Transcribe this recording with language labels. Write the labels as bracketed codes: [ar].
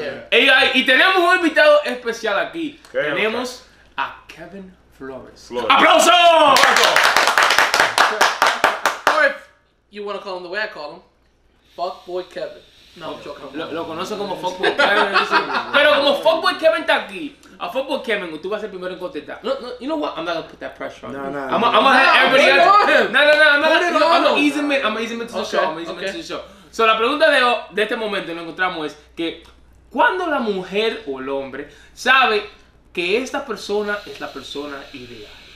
[en] Hey guys, [es] y tenemos un invitado especial aquí. Qué tenemos a Kevin Flores. ¡Aplauso! [en] Or if you want to call him the way I call him, Fuckboy Kevin. [es] No, lo conozco como Fuckboy Kevin. Pero como Fuckboy Kevin está aquí, a Fuckboy Kevin, tú vas a ser primero en contestar. [en] No, no, you know what? I'm not gonna put that pressure on you. I'm gonna ease him into the show. [es] So la pregunta de este momento lo encontramos es que ¿cuándo la mujer o el hombre sabe que esta persona es la persona ideal?